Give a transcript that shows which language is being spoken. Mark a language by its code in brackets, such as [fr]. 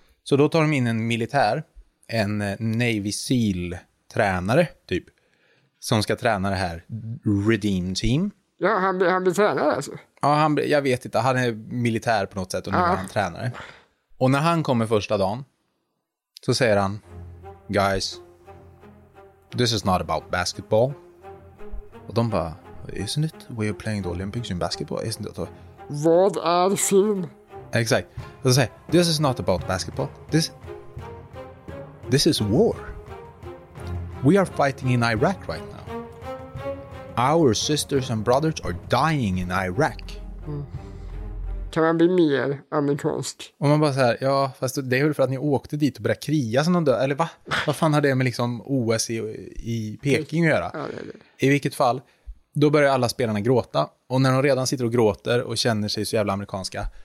[sv] Så då tar de in en militär, en Navy SEAL-tränare typ, som ska träna det här Redeem Team. Ja, han blir tränare alltså. Ja, jag vet inte, han är militär på något sätt och nu är han tränare. Och när han kommer första dagen, så säger han, [en] guys, this is not about basketball. [sv] Och de bara, [en] isn't it? We are playing the Olympics in basketball, isn't it? [sv] Vad är film? Exakt. Och så säger, [en] this is not about basketball. This is war. We are fighting in Iraq right now. Our sisters and brothers are dying in Iraq. [sv] Mm. Kan man bli mer amerikansk? Om man bara så här, ja, fast det är väl för att ni åkte dit och började kriga som de dör. Eller va? Vad fan har det med liksom OS i Peking att göra? Ja, det. I vilket fall, då börjar alla spelarna gråta. Och när de redan sitter och gråter och känner sig så jävla amerikanska,